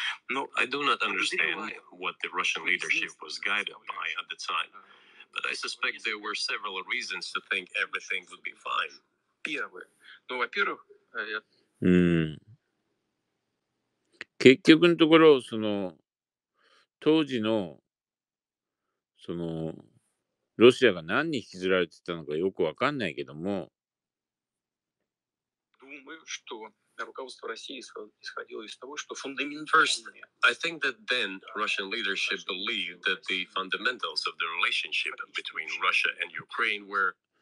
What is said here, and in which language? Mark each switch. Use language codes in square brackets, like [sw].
[en] No, I do not understand what the Russian leadership was guided by at the time, but I suspect there were several reasons to think everything would be fine. [ru] Первое. [ja] Ну, 結局のところ、その当時のそのロシアが何に引きずられてたのかよくわかんないけども。 [en] First, I think that then Russian leadership believed that the fundamentals of the relationship between Russia and Ukraine were.